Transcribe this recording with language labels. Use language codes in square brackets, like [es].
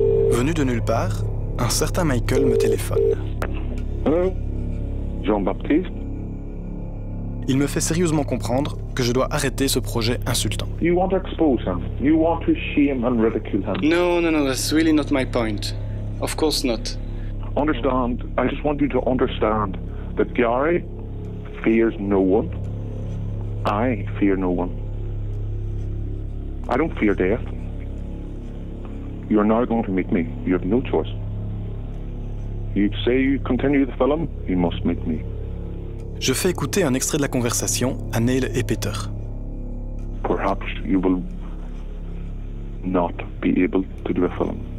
[fr] Venu de nulle part, un certain Michael me téléphone. [en] Hello, Jean-Baptiste. [fr] Il me fait sérieusement comprendre que je dois arrêter ce projet insultant. [en] You want to expose him? You want to shame and ridicule him? No, no, no, that's really not my point. Of course not. Understand, I just want you to understand that Gary fears no one. I fear no one. I don't fear death. You're now going to meet me. You have no choice. You say you continue the film, you must meet me. [fr] Je fais écouter un extrait de la conversation à Neil et Peter. [en] Perhaps you will not be able to do a film.